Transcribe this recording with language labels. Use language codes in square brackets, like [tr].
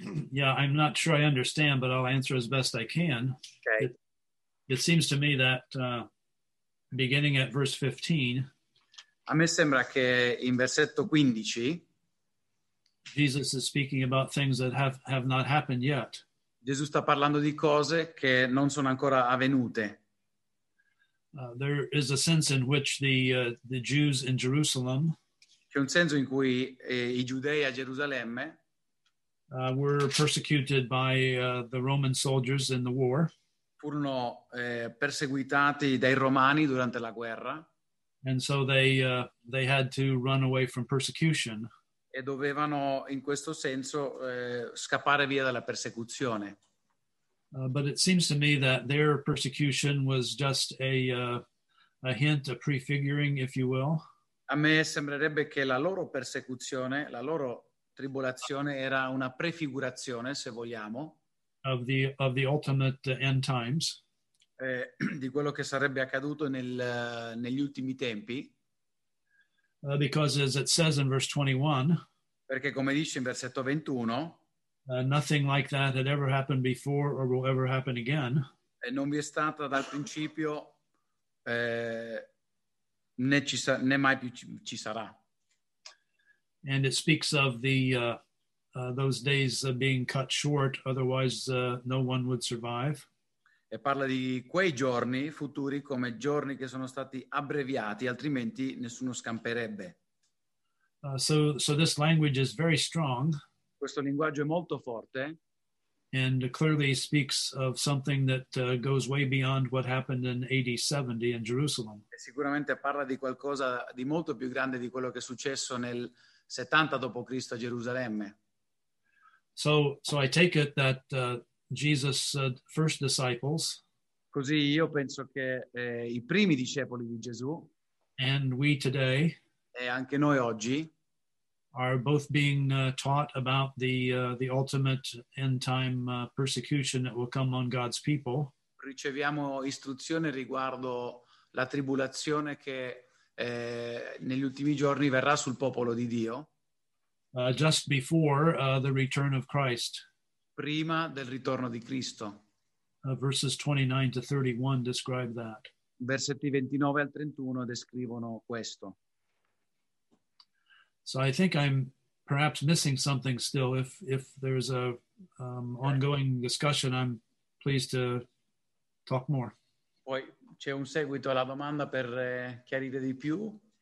[en] Yeah, I'm not sure I understand, but I'll answer as best I can. Okay. It seems to me that beginning at verse 15, [it] a me sembra che in versetto 15 [en] Jesus is speaking about things that have not happened yet. [it] Gesù sta parlando di cose che non sono ancora avvenute. [en] There is a sense in which the Jews in Jerusalem, [it] c'è un senso in cui i giudei a Gerusalemme [en] were persecuted by the Roman soldiers in the war. [it] Furono perseguitati dai romani durante la guerra. [en] And so they had to run away from persecution. [it] E dovevano in questo senso scappare via dalla persecuzione. [en] But it seems to me that their persecution was just a hint, a prefiguring, if you will. [it] A me sembrerebbe che la loro persecuzione, la loro tribolazione era una prefigurazione, se vogliamo, [en] of the ultimate end times. [it] Di quello che sarebbe accaduto negli ultimi tempi. [en] Because as it says in verse 21, [it] perché come dice in versetto 21, [en] nothing like that had ever happened before or will ever happen again. [it] E non vi è stata dal principio né mai più ci sarà. [en] And it speaks of those days being cut short, otherwise no one would survive. [it] E parla di quei giorni futuri come giorni che sono stati abbreviati, altrimenti nessuno scamperebbe. [en] So this language is very strong. [it] Questo linguaggio è molto forte. [en] And clearly speaks of something that goes way beyond what happened in AD 70 in Jerusalem. [it] E sicuramente parla di qualcosa di molto più grande di quello che è successo nel 70 dopo Cristo a Gerusalemme. [en] So I take it that Jesus' first disciples. [it] Così io penso che i primi discepoli di Gesù. [en] And we today. [it] E anche noi oggi. [en] Are both being taught about the ultimate end time persecution that will come on God's people. [it] Riceviamo istruzione riguardo la tribolazione che negli ultimi giorni verrà sul popolo di Dio. [en] Just before the return of Christ. [it] Prima del ritorno di Cristo. [en] Verses 29 to 31 describe that. [it] Versetti 29 al 31 descrivono questo. [en] So I think I'm perhaps missing something still. If there's a ongoing discussion, I'm pleased to talk more. [it] Poi c'è un seguito alla domanda per chiarire di più.